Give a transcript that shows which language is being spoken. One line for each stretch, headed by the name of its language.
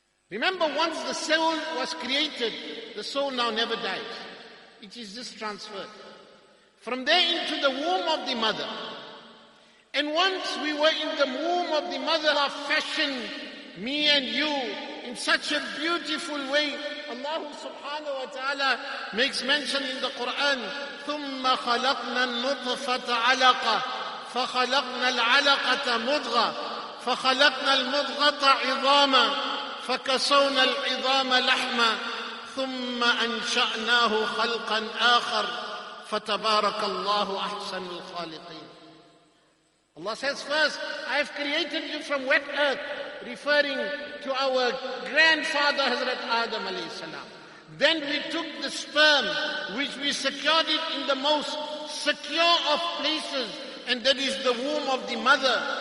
English: Remember, once the soul was created, the soul now never dies. It is just transferred. From there into the womb of the mother. And once we were in the womb of the mother, Allah fashioned me and you in such a beautiful way.
Arabic: Allah subhanahu wa ta'ala makes mention in the Quran, ثُمَّ خَلَقْنَا النُّطْفَةَ عَلَقَةً فَخَلَقْنَا الْعَلَقَةَ مُضْغَةً فَخَلَقْنَا الْمُضْغَةَ عِظَامًا فَكَسَوْنَا الْعِظَامَ لَحْمًا ثُمَّ أَنْشَأْنَاهُ خَلْقًا آخَرَ فَتَبَارَكَ اللَّهُ أَحْسَنُ الْخَالِقِينَ.
English: Allah says, first, I have created you from wet earth, referring to our grandfather, Hazrat Adam alayhi salam. Then we took the sperm, which we secured it in the most secure of places, and that is the womb of the mother.